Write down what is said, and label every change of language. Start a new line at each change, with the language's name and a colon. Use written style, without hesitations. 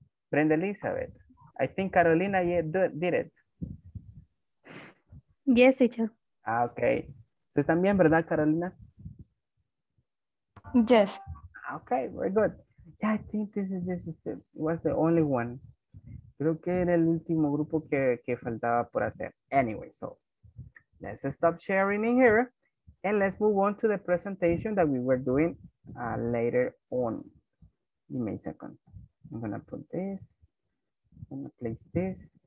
English: Brenda Elizabeth. I think Carolina did it. Yes, teacher.
Spanish: Ah, okay. ¿Usted también, verdad, Carolina?
English: Yes. Okay, very good. Yeah, I think this was the only one.
Spanish: Creo que era el último grupo que faltaba por hacer.
English: Anyway, so let's stop sharing in here and let's move on to the presentation that we were doing later on. Give me a second. I'm gonna put this. I'm gonna place this.